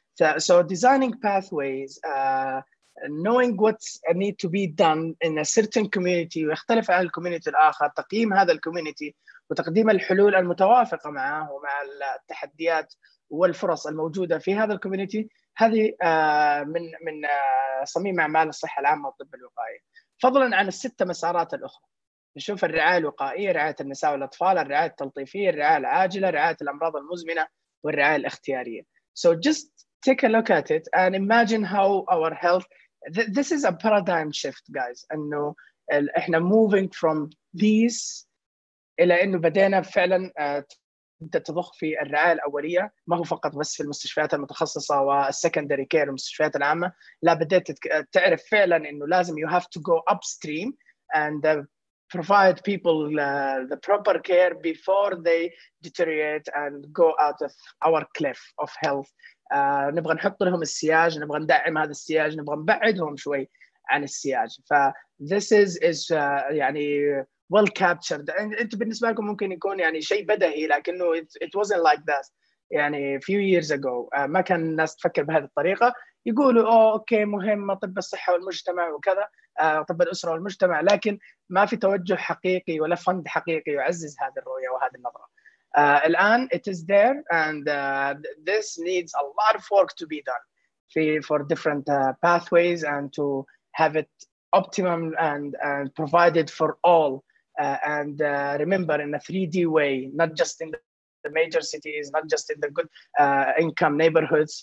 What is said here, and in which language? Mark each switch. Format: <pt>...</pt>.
<en>So designing pathways, knowing what needs to be done in a certain community</en> <ar>ويختلف عن الكوميونيتي الآخر، تقييم هذا الكوميونيتي وتقديم الحلول المتوافقة معه ومع التحديات والفرص الموجودة في هذا الكوميونيتي، هذه من صميم أعمال الصحة العامة والطب الوقائي، فضلاً عن الستة مسارات الأخرى. نشوف الرعاية الوقائية، رعاية النساء والأطفال، الرعاية التلطيفية، الرعاية العاجلة، رعاية الأمراض المزمنة، والرعاية الاختيارية.</ar> <en>So just take a look at it and imagine how our health, this is a paradigm shift, guys.</en> <ar>أنه إحنا</ar> <en>moving from these</en> <ar>إلى أنه بدأنا فعلاً تضخ في الرعاية الأولية، ما هو فقط بس في المستشفيات المتخصصة والسكندري كير والمستشفيات العامة، لا، بدأت تعرف فعلاً أنه لازم</ar> <en>you have to go upstream and provide people the proper care before they deteriorate and go out of our cliff of health.</en> <ar>نبغى نحط لهم السياج، نبغى ندعم هذا السياج، نبغى نبعدهم شوي عن السياج.</ar> <en>ف this is يعني well captured.</en> <ar>انت بالنسبة لكم ممكن يكون يعني شيء بدهي، لكنه</ar> <en>it wasn't like that</en> <ar>يعني</ar> <en>few years ago.</en> <ar>ما كان الناس تفكر بهذه الطريقة، يقولوا اوكي مهم طب الصحة والمجتمع وكذا، طب الأسرة والمجتمع، لكن ما في توجه حقيقي ولا فند حقيقي يعزز هذه الرؤية وهذه النظرة. الآن</ar> <en>it is there and this needs a lot of work to be done for different pathways and to have it optimum and provided for all. Remember in a 3D way, not just in the major cities, not just in the good income neighborhoods.</en>